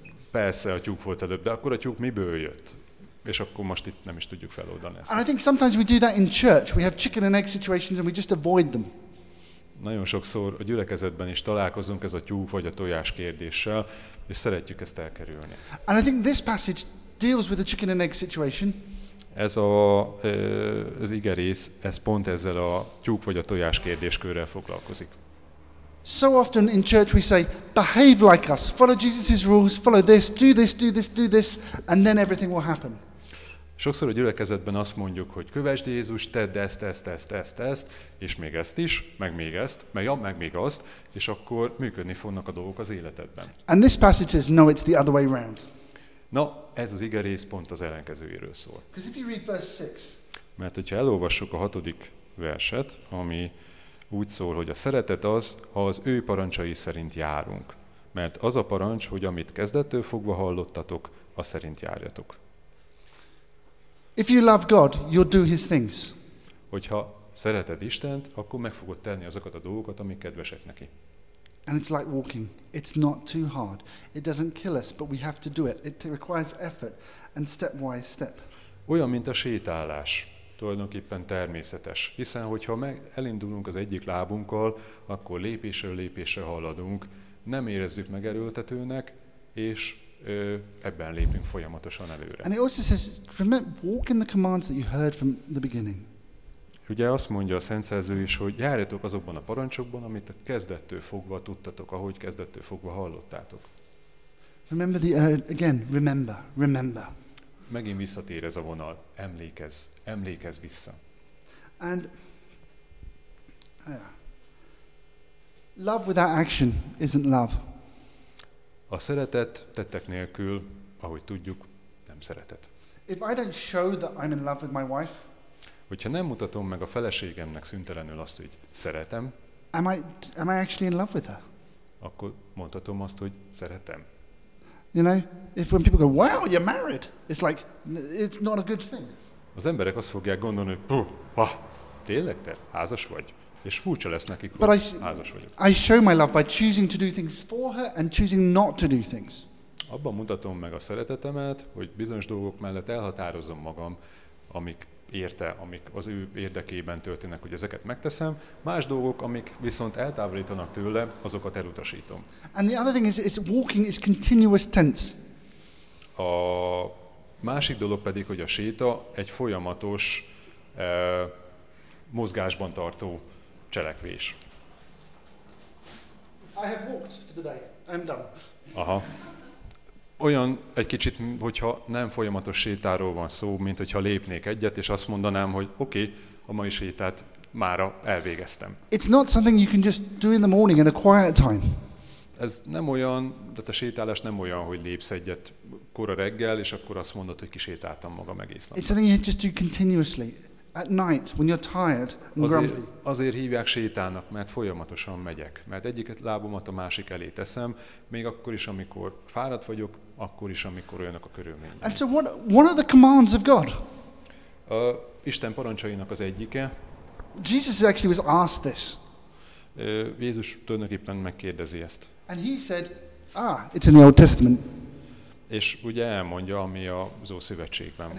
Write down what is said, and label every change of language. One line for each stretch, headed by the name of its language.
Hungarian: Persze a tyúk volt előbb, de akkor a tyúk miből jött? És akkor most itt nem is tudjuk feloldani ezt.
English: And I think sometimes we do that in church. We have chicken and egg situations and we just avoid them.
Hungarian: Nagyon sokszor a gyülekezetben is találkozunk ez a tyúk vagy a tojás kérdéssel, és szeretjük ezt elkerülni.
English: And I think this passage deals with the chicken and egg situation.
Hungarian: Ez a, az ige rész, ez pont ezzel a tyúk vagy a tojás kérdéskörrel foglalkozik.
English: So often in church we say, behave like us, follow Jesus' rules, follow this, do this, do this, do this, and then everything will happen.
Hungarian: Sokszor a gyülekezetben azt mondjuk, hogy kövesd Jézus, tedd ezt, és még ezt is, meg még azt, és akkor működni fognak a dolgok az életedben.
English: And this passage says, no, it's the other way around.
Hungarian: Na, ez az ige rész pont az ellenkezőjéről szól.
English: Because if you read verse 6,
Hungarian: mert hogyha elolvassuk a hatodik verset, ami úgy szól, hogy a szeretet az, ha az ő parancsai szerint járunk. Mert az a parancs, hogy amit kezdettől fogva hallottatok, a szerint járjatok.
English: If you love God, you'll do his things.
Hungarian: Hogyha szereted Istent, akkor meg fogod tenni azokat a dolgokat, amik kedvesek neki.
English: And it's like walking. It's not too hard. It doesn't kill us, but we have to do it. It requires effort and stepwise step.
Hungarian: Olyan, mint a sétálás. Tulajdonképpen természetes. Hiszen, hogyha elindulunk az egyik lábunkkal, akkor lépésről lépésre haladunk, nem érezzük megerőltetőnek, és ebben lépünk folyamatosan előre.
English: And it also says, walk in the commands that you heard from the beginning.
Hungarian: Ugye azt mondja a Szent Szerző is, hogy járjatok azokban a parancsokban, amit a kezdettől fogva tudtatok, ahogy kezdettől fogva hallottátok.
English: Remember the, again, remember, remember.
Hungarian: Megint visszatér ez a vonal. Emlékezz, emlékezz vissza.
English: And love without action isn't love.
Hungarian: A szeretet tettek nélkül, ahogy tudjuk, nem szeretet.
English: If I don't show that I'm in love with my wife,
Hungarian: hogyha nem mutatom meg a feleségemnek szüntelenül azt, hogy szeretem,
English: am I actually in love with her?
Hungarian: Akkor mondhatom azt, hogy szeretem.
English: You know, if when people go, wow, you're married, it's like, it's not a good thing.
Hungarian: Az emberek azt fogják gondolni, hogy tényleg te házas vagy? És furcsa lesz nekik,
English: but
Hungarian: hogy házas vagyok.
English: I show my love by choosing to do things for her and choosing not to do things.
Hungarian: Abban mutatom meg a szeretetemet, hogy bizonyos dolgok mellett elhatározom magam, amik érte, amik az ő érdekében történnek, hogy ezeket megteszem. Más dolgok, amik viszont eltávolítanak tőle, azokat elutasítom.
English: And the other thing is walking is continuous tense.
Hungarian: A másik dolog pedig, hogy a séta egy folyamatos mozgásban tartó cselekvés.
English: I have walked for the day. I'm done. Aha.
Hungarian: Olyan egy kicsit, hogyha nem folyamatos sétáról van szó, mint hogyha lépnék egyet, és azt mondanám, hogy oké, a mai sétát mára elvégeztem.
English: It's not something you can just do in the morning in a quiet time.
Hungarian: Ez nem olyan, de a sétálás nem olyan, hogy lépsz egyet kora reggel, és akkor azt mondod, hogy kisétáltam magam egész nap.
English: It's something you just do continuously. At night, when you're tired and grumpy.
Hungarian: Azért hívják sétának, mert folyamatosan megyek. Mert egyik lábomat a másik elé teszem, még akkor is, amikor fáradt vagyok, akkor is, amikor olyanok a körülmények.
English: And so what are the commands of God?
Hungarian: Isten parancsainak az egyike.
English: Jesus actually was asked this.
Hungarian: Jézus tulajdonképpen megkérdezi ezt.
English: And he said, ah, it's in the Old Testament.
Hungarian: És ugye elmondja, ami az Ószövetségben van.